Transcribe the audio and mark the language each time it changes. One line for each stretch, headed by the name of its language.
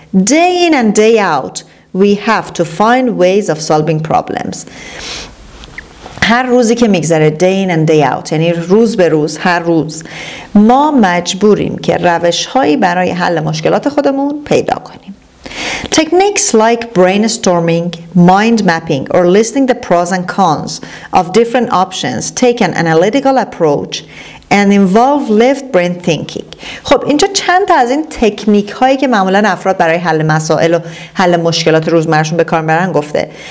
English: Day in and day out we have to find ways of solving problems.
Persian: هر روزی که میگذره،
English: day in and day out،
Persian: یعنی روز به روز، هر روز ما مجبوریم که روش‌هایی برای حل مشکلات خودمون پیدا کنیم.
English: Techniques like brainstorming, mind mapping or listing the pros and cons of different options take an analytical approach and involve left brain thinking.
Persian: خب اینجا چند تا از این تکنیک هایی که معمولا افراد برای حل مسائل و حل مشکلات روزمرشون به کار میبرن گفته.